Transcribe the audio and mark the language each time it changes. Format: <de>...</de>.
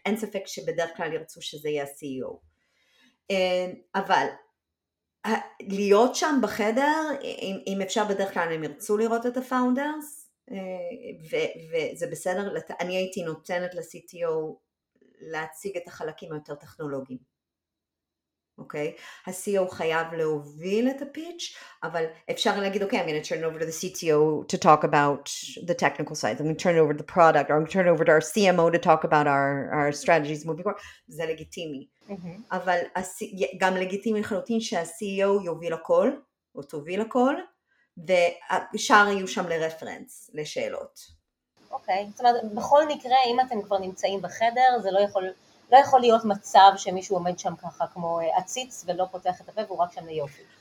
<he>אין ספק שבדרך כלל ירצו שזה יהיה CEO. אבל להיות שם בחדר, אם אפשר בדרך כלל הם ירצו לראות את הפאונדרס, וזה בסדר, אני הייתי נותנת ל-CTO להציג את החלקים היותר טכנולוגיים. אוקיי? ה-CEO חייב להוביל את הפיץ', אבל אפשר להגיד, אוקיי,</he> <en>I'm going to turn over to the CTO to talk about the technical side. I'm going to turn over to the product, or I'm going to turn over to our CMO to talk about our strategies moving forward.</en> <he>זה לגיטימי. אבל גם לגיטימי לחלוטין שה-CEO יוביל הכל, או תוביל הכל, ושאר יהיו שם לרפרנס, לשאלות. אוקיי, זאת אומרת, בכל מקרה, אם אתם כבר נמצאים בחדר, זה לא יכול להיות מצב שמישהו עומד שם ככה כמו עציץ ולא פותח את הפה והוא רק שם ליופי.</he>